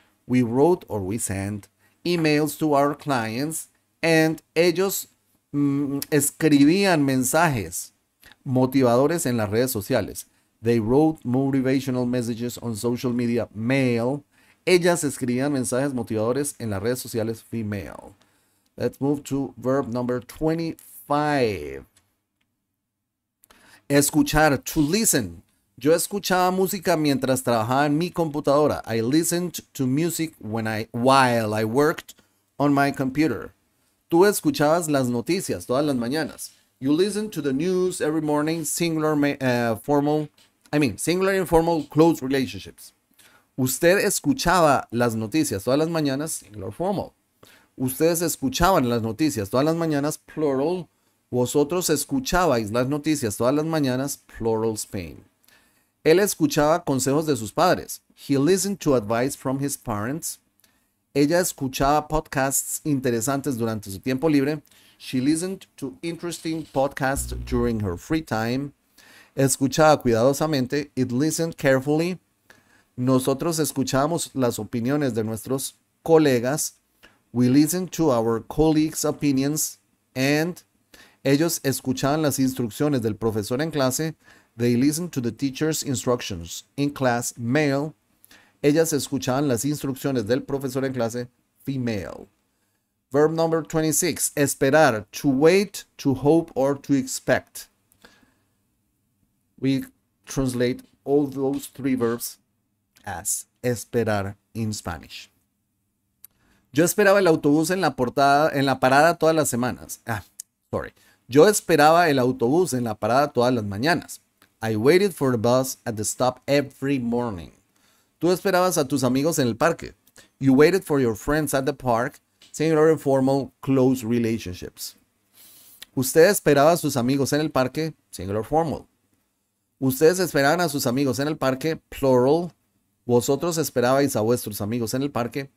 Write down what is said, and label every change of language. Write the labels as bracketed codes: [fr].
[en] We wrote or we sent emails to our clients. [es] And ellos escribían mensajes motivadores en las redes sociales. [en] They wrote motivational messages on social media, male. [es] Ellas escribían mensajes motivadores en las redes sociales, [en] female. Let's move to verb number 25. Escuchar, to listen. [es] Yo escuchaba música mientras trabajaba en mi computadora. [en] I listened to music while I worked on my computer. [es] Tú escuchabas las noticias todas las mañanas. [en] You listen to the news every morning, singular informal close relationships. [es] Usted escuchaba las noticias todas las mañanas, [en] singular formal. [es] Ustedes escuchaban las noticias todas las mañanas, [en] plural. [es] Vosotros escuchabais las noticias todas las mañanas, [en] plural Spain. [es] Él escuchaba consejos de sus padres. [en] He listened to advice from his parents. [es] Ella escuchaba podcasts interesantes durante su tiempo libre. [en] She listened to interesting podcasts during her free time. [es] Escuchaba cuidadosamente. [en] It listened carefully. [es] Nosotros escuchábamos las opiniones de nuestros colegas. [en] We listened to our colleagues' opinions. And [es] ellos escuchaban las instrucciones del profesor en clase. [en] They listened to the teacher's instructions in class, male. [es] Ellas escuchaban las instrucciones del profesor en clase, [en] female. Verb number 26, esperar, to wait, to hope, or to expect. We translate all those three verbs as esperar in Spanish. [es] Yo esperaba el autobús en la parada todas las semanas. Yo esperaba el autobús en la parada todas las mañanas. [en] I waited for the bus at the stop every morning. [es] Tú esperabas a tus amigos en el parque. [en] You waited for your friends at the park. Singular informal close relationships. [es] Usted esperaba a sus amigos en el parque. [en] Singular formal. [es] Ustedes esperaban a sus amigos en el parque. [en] Plural. [es] Vosotros esperabais a vuestros amigos en el parque.